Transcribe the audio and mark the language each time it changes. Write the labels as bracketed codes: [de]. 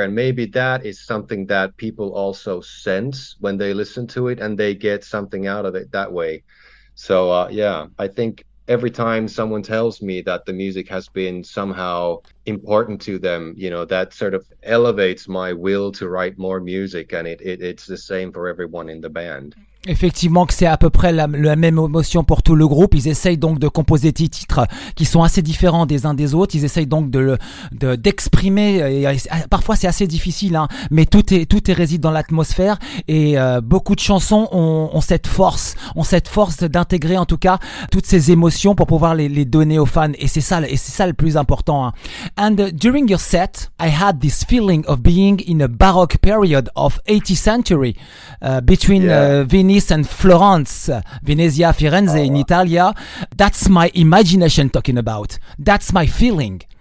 [en] And maybe that is something that people also sense when they listen to it and they get something out of it that way. So, I think every time someone tells me that the music has been somehow important to them, you know, that sort of elevates my will to write more music. And it's the same for everyone in the band. [fr] Effectivement, que c'est à peu près la même émotion pour tout le groupe. Ils essayent donc de composer des titres qui sont assez différents des uns des autres. Ils essayent donc d'exprimer. Et parfois, c'est assez difficile, hein, mais tout est réside dans l'atmosphère. Et beaucoup de chansons ont cette force d'intégrer en tout cas toutes ces émotions pour pouvoir les donner aux fans. Et c'est ça le plus important. Hein. [en] And during your set, I had this feeling of being in a baroque period of 18th century between Venice and Florence, Venezia, Firenze, in Italia. That's my imagination talking about. That's my feeling.